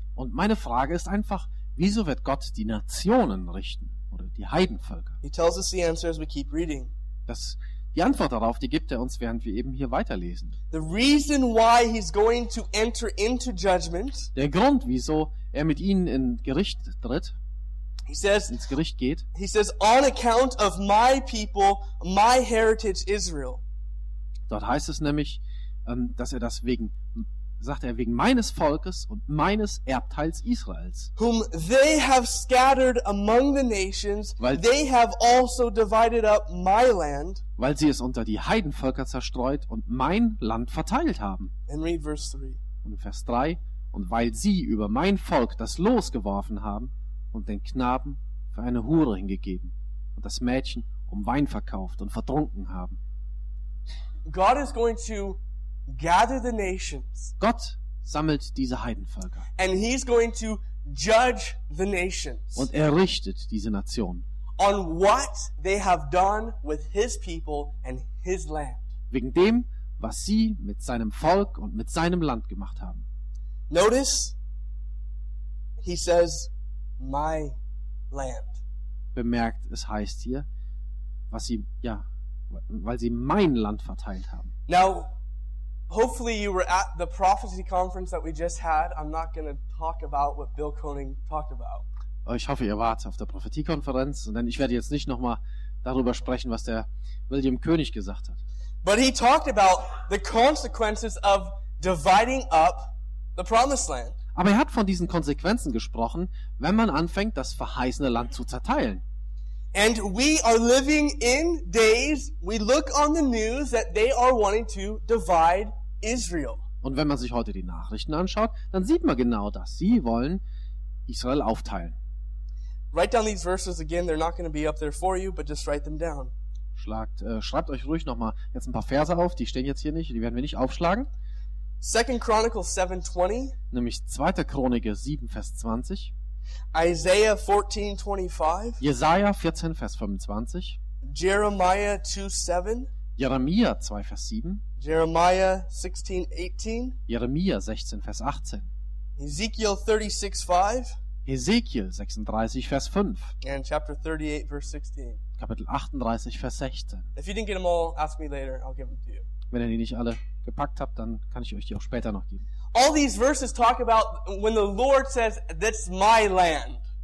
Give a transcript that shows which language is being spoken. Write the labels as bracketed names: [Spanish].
[German] Und meine Frage ist einfach, wieso wird Gott die Nationen richten oder die Heidenvölker? [English] He tells us the answer as we keep reading. [German] Das, die Antwort darauf, die gibt er uns, während wir eben hier weiterlesen. [English] The reason why he's going to enter into judgment, [German] der Grund, wieso er mit ihnen in Gericht tritt, [English] he says, [German] ins Gericht geht, [English] he says, on account of my people, my heritage Israel. [German] Dort heißt es nämlich, dass er das wegen, sagt er, wegen meines Volkes und meines Erbteils Israels. [English] Whom they have scattered among the nations, [German] weil, [English] they have also divided up my land. [German] Weil sie es unter die Heidenvölker zerstreut und mein Land verteilt haben. [English] And read verse 3. [German] Und Vers 3. Und weil sie über mein Volk das Los geworfen haben und den Knaben für eine Hure hingegeben und das Mädchen um Wein verkauft und vertrunken haben. [English] God is going to gather the nations. [German] Gott sammelt diese Heidenvölker. [English] And he's going to judge the nations. [German] Und er richtet diese Nationen. [English] On what they have done with his people and his land. [German] Wegen dem, was sie mit seinem Volk und mit seinem Land gemacht haben. [English] Notice, he says, my land. [German] Bemerkt, es heißt hier, was sie, ja, weil sie mein Land verteilt haben. [English] Now, hopefully you were at the prophecy conference that we just had. I'm not going to talk about what Bill Koenig talked about. [German] Ich hoffe, ihr wart auf der Prophetiekonferenz, denn ich werde jetzt nicht nochmal darüber sprechen, was der William Koenig gesagt hat. [English] But he talked about the consequences of dividing up the promised land. [German] Aber er hat von diesen Konsequenzen gesprochen, wenn man anfängt, das verheißene Land zu zerteilen. [English] And we are living in days, we look on the news that they are wanting to divide Israel. [German] Und wenn man sich heute die Nachrichten anschaut, dann sieht man genau das. Sie wollen Israel aufteilen. [English] Write down these verses again, they're not going to be up there for you, but just write them down. [German] Schreibt euch ruhig noch mal jetzt ein paar Verse auf, die stehen jetzt hier nicht, die werden wir nicht aufschlagen. [English] 2 Chronicles 7:20. [German] Nämlich 2. Chronik 7 Vers 20. [English] Isaiah 14:25. [German] Jesaja 14 Vers 25. [English] Jeremiah 2:7. [German] Jeremia 2 Vers 7. [English] Jeremiah 16:18. [German] Jeremia 16 Vers 18. [English] Ezekiel 36:5. [German] Hesekiel 36 Vers 5. [English] And chapter 38 verse 16. [German] Kapitel 38 Vers 16. [English] If you didn't get them all, ask me later, I'll give them to you. [German] Wenn ihr die nicht alle gepackt habt, dann kann ich euch die auch später noch geben. [English] All these verses talk about when the Lord says, that's my land.